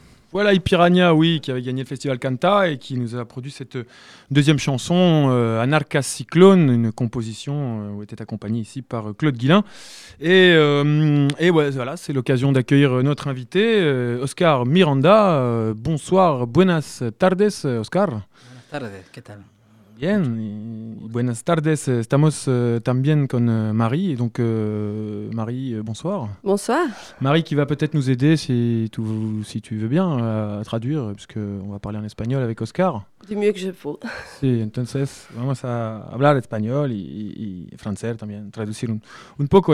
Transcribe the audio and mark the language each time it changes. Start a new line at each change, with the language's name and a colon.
French: Voilà, Piranha, oui, qui avait gagné le festival Canta et qui nous a produit cette deuxième chanson, Anarca Cyclone, une composition où était accompagnée ici par Claude Guilin. Et ouais, voilà, c'est l'occasion d'accueillir notre invité, Oscar Miranda. Bonsoir,
Spanish: buenas tardes, Oscar. Buenas tardes, ¿qué tal? Bien, buenas tardes, estamos también con Marie,
French: et donc Marie, bonsoir. Bonsoir. Marie qui va peut-être nous aider, si tu veux bien, à traduire, puisqu'on va parler en espagnol avec Oscar. Du mieux que je peux.
Spanish: Sí, entonces vamos a hablar español y francés también, traducir un poco.